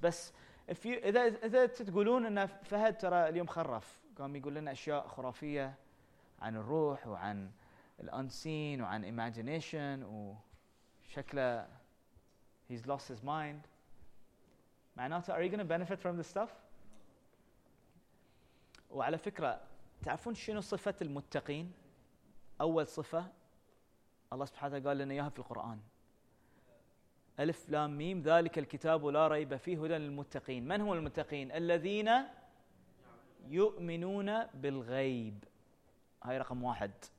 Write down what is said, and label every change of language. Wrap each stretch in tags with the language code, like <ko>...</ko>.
<ar>بس</ar> <en>if you</en> <ar>إذا تقولون إن فهد ترى اليوم خرف قام يقول لنا أشياء خرافية عن الروح وعن الأنسين وعن imagination وشكله</ar> <en>he's lost his mind.</en> <ar>معناته</ar> <en>are you gonna benefit from this stuff?</en> <ar>وعلى فكرة تعرفون شنو صفة المتقين؟ أول صفة الله سبحانه قال لنا إياها في القرآن ألف لام ميم ذلك الكتاب لا ريب فيه هدى للمتقين. من هم المتقين؟ الذين يؤمنون بالغيب, هاي رقم واحد.</ar>